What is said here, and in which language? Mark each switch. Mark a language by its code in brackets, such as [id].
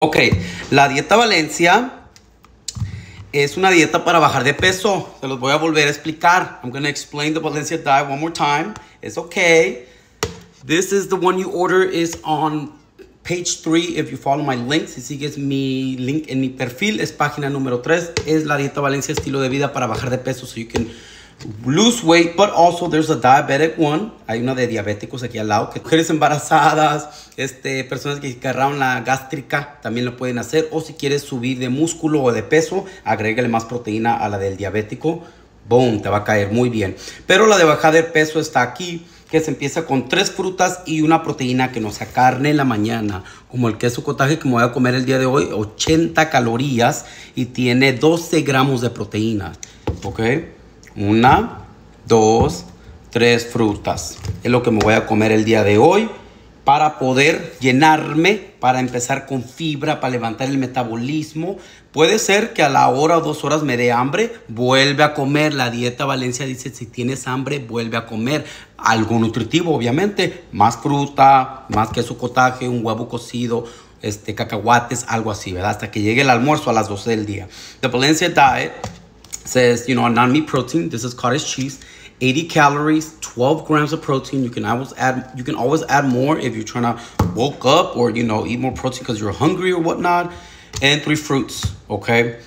[es] Ok, la dieta Valencia es una dieta para bajar de peso. Se los voy a volver a explicar. [en] I'm going to explain the Valencia diet one more time. It's okay. This is the one you order is on page 3 if you follow my link. [es] Si sigues mi link en mi perfil, es página número 3. Es la dieta Valencia estilo de vida para bajar de peso. [en] So you can lose weight, but also there's a diabetic one. [es] Hay una de diabéticos aquí al lado. Que mujeres embarazadas, personas que agarraron la gástrica, también lo pueden hacer. O si quieres subir de músculo o de peso, agrégale más proteína a la del diabético. Boom, te va a caer muy bien. Pero la de bajar de peso está aquí, que se empieza con 3 frutas y una proteína que no sea carne en la mañana, como el queso cottage que me voy a comer el día de hoy. 80 calorías y tiene 12 gramos de proteína. Ok. Una, dos, tres frutas. Es lo que me voy a comer el día de hoy para poder llenarme, para empezar con fibra, para levantar el metabolismo. Puede ser que a la hora o 2 horas me dé hambre, vuelve a comer. La dieta Valencia dice, si tienes hambre, vuelve a comer. Algo nutritivo, obviamente. Más fruta, más queso cottage, un huevo cocido, cacahuates, algo así, ¿verdad? Hasta que llegue el almuerzo a las 12 del día. [en] The Valencia diet says, you know, a non-meat protein, this is cottage cheese, 80 calories, 12 grams of protein. You can always add more if you're trying to woke up or, you know, eat more protein because you're hungry or whatnot, and 3 fruits, okay?